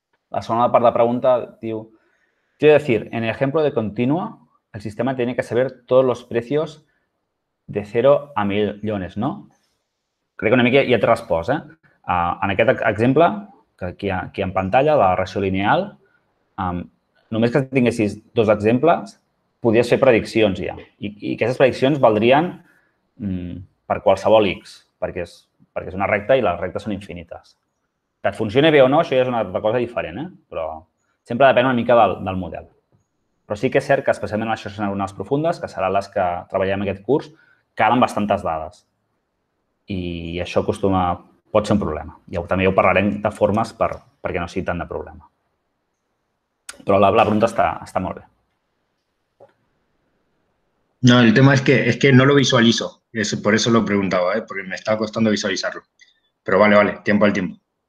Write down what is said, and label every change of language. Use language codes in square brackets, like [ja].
[ca] La segona part de la pregunta diu, [es] quiero decir, en el ejemplo de continua, el sistema tiene que saber todos los precios de 0 a millones, ¿no? [ca] Crec que una mica ja t'he respost, eh? En aquest exemple, que aquí en pantalla, de la regressió lineal, només que tinguessis dos exemples, podies fer prediccions ja. I aquestes prediccions valdrien per qualsevol X, perquè és una recta i les rectes són infinites. Que et funcioni bé o no, això ja és una altra cosa diferent, eh? Però sempre depèn una mica del model. Però sí que és cert que, especialment en les xarxes neuronals profundes, que seran les que treballem aquest curs, calen bastantes dades. I això pot ser un problema. I també ho parlarem de formes perquè no sigui tant de problema. Però la pregunta està molt bé. [es] No, el tema és que no lo visualizo. Por eso lo preguntaba, ¿eh? Porque me estaba costando visualizarlo. Pero vale, vale, tiempo al tiempo.